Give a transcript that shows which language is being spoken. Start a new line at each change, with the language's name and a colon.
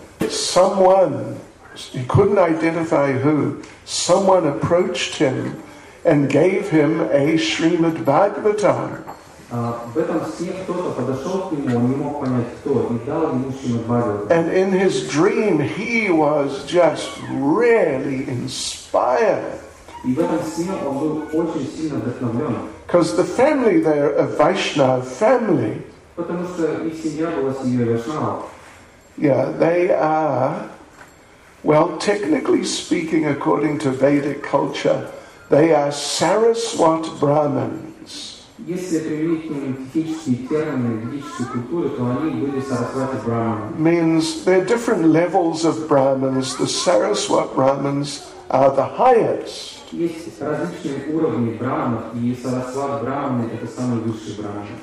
English: Someone, he couldn't identify who, someone approached him and gave him a Srimad Bhagavatam.
Russian: В этом сне кто-то подошел к нему, он не мог понять, кто, и дал ему Шримад Бхагаватам.
English: And in his dream, he was just really inspired.
Russian: И в этом сне он был очень сильно вдохновлен.
English: Because the family there, a Vaishnava family.
Russian: Потому что их семья была семьей Вайшнава.
English: Yeah, they are, well, technically speaking, according to Vedic culture, they are Saraswat Brahmins.
Russian: Если применить к ним физические термины ведической культуры, то они были Сарасвати Брахманы.
English: Means there are different levels of Brahmins. The Saraswat Brahmins are the highest.
Russian: Есть различные уровни Брахманов, и Сарасват Брахманы – это самые высшие Брахманы.